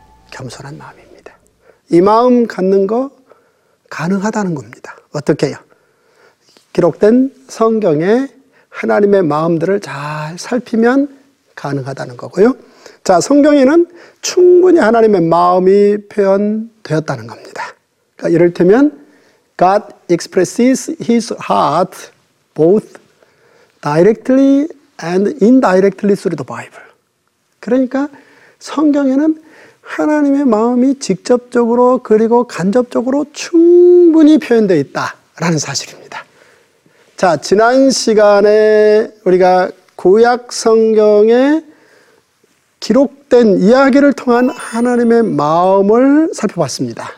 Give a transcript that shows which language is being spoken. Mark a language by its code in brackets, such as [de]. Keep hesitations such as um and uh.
[ko] 겸손한 마음입니다. 이 마음 갖는 거 가능하다는 겁니다. 어떻게요? 기록된 성경에 하나님의 마음들을 잘 살피면 가능하다는 거고요. 자, 성경에는 충분히 하나님의 마음이 표현되었다는 겁니다. 그를테면 그러니까 [en] God expresses his heart both directly and indirectly through the Bible. [ko] 그러니까 성경에는 하나님의 마음이 직접적으로 그리고 간접적으로 충분히 표현되어 있다라는 사실입니다. 자, 지난 시간에 우리가 구약 성경에 기록된 이야기를 통한 하나님의 마음을 살펴봤습니다.